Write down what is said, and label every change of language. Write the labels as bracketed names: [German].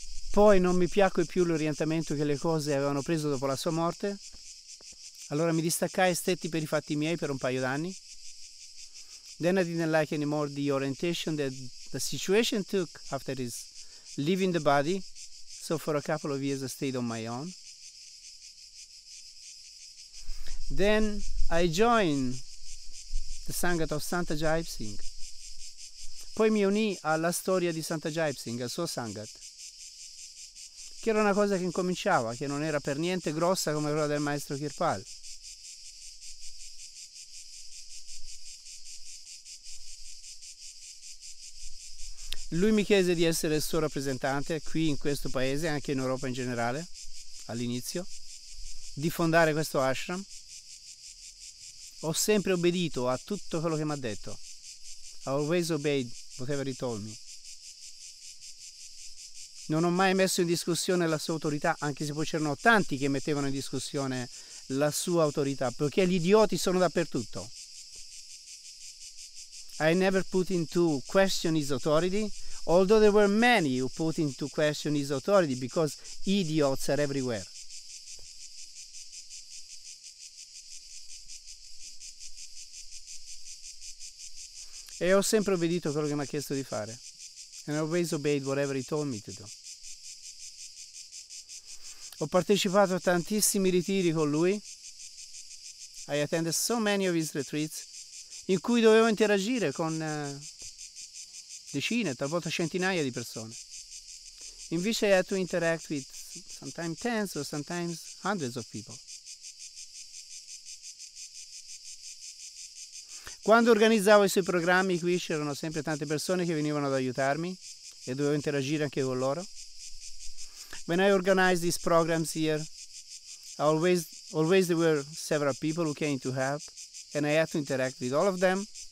[Italian] Poi non mi piacque più l'orientamento che le cose avevano preso dopo la sua morte. Allora mi distaccai e stetti per i fatti miei per un paio d'anni. [English] Then I didn't like anymore the orientation that the situation took after his leaving the body. So for a couple of years I stayed on my own. Then I joined the Sangha of Santa Jaip Singh. [Italian] Poi mi unì alla storia di Santa Jaip Singh, al suo Sangha, che era una cosa che incominciava, che non era per niente grossa come quella del maestro Kirpal. Lui mi chiese di essere il suo rappresentante qui in questo paese, anche in Europa in generale, all'inizio, di fondare questo ashram. Ho sempre obbedito a tutto quello che mi ha detto. [English] I always obeyed whatever he told me. [Italian] Non ho mai messo in discussione la sua autorità, anche se poi c'erano tanti che mettevano in discussione la sua autorità, perché gli idioti sono dappertutto. [English] I never put into question his authority, although there were many who put into question his authority, because idiots are everywhere. [Italian] E ho sempre obbedito quello che mi ha chiesto di fare. [English] And I always obeyed whatever he told me to do. [Italian] Ho partecipato a tantissimi ritiri con lui. [English] I attended so many of his retreats, [Italian] in cui dovevo interagire con decine, talvolta centinaia di persone. [English] Invece I had to interact with sometimes tens or sometimes hundreds of people. [Italian] Quando organizzavo I suoi programmi qui c'erano sempre tante persone che venivano ad aiutarmi e dovevo interagire anche con loro. [English] When I organized these programs here, always there were several people who came to help, and I had to interact with all of them.